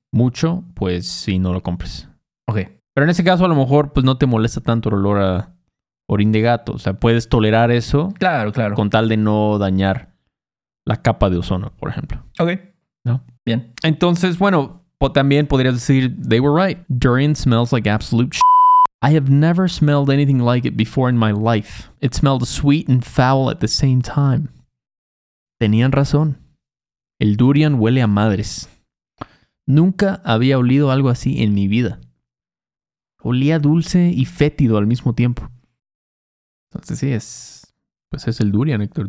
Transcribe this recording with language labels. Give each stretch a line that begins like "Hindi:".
Spanish: mucho, pues sí, no lo compres. Ok. Pero en ese caso, a lo mejor, pues no te molesta tanto el olor a orín de gato. O sea, puedes tolerar eso. Claro, claro. Con tal de no dañar la capa de ozono, por ejemplo. Ok. ¿No? Bien. Entonces, bueno, también podrías decir,
English: they were right. Durian smells like absolute shit. I have never smelled anything like it before in my life. It smelled sweet and foul at the same time.
Spanish: Tenían razón. El durian huele a madres. Nunca había olido algo así en mi vida. Olía dulce y fétido al mismo tiempo. Entonces sí, es el durian, Héctor.